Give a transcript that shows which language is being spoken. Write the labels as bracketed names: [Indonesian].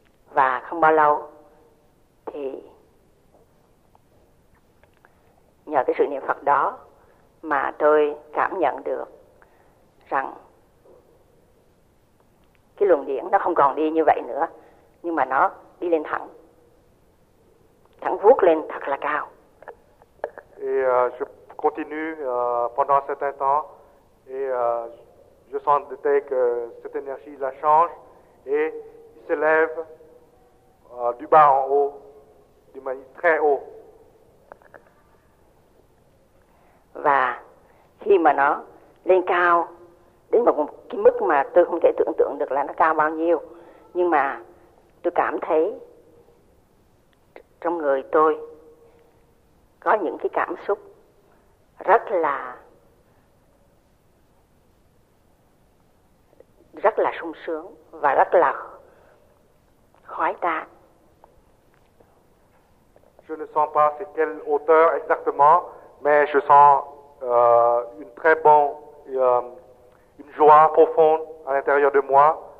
[Vietnamese] Và không bao lâu thì nhờ cái sự niệm Phật đó mà tôi cảm nhận được rằng cái luồng điển nó không còn đi như vậy nữa, nhưng mà nó đi lên thẳng, thẳng vuốt lên thật là cao. [French] Et je continue pendant un certain temps, et je sentais que cette énergie la change et s'élève du bas en haut, de manière très haut. [Vietnamese] Và khi mà nó lên cao đến một cái mức mà tôi không thể tưởng tượng được là nó cao bao nhiêu, nhưng mà tôi cảm thấy trong người tôi có những cái cảm xúc rất là sung sướng và rất là khoái trá. [French] Je ne sens pas c'est quelle hauteur exactement, mais je sens une très bonne une joie profonde à l'intérieur de moi.